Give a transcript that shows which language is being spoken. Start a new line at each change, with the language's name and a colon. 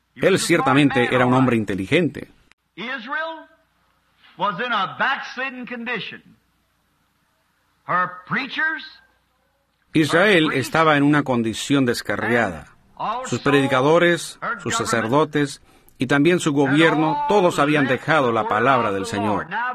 Spanish: Él ciertamente era un hombre inteligente.
English: Israel was in a backslidden condition. Her preachers,
Spanish: Israel estaba en una condición descarriada. Sus predicadores, sus sacerdotes y también su gobierno, todos habían dejado la palabra del Señor.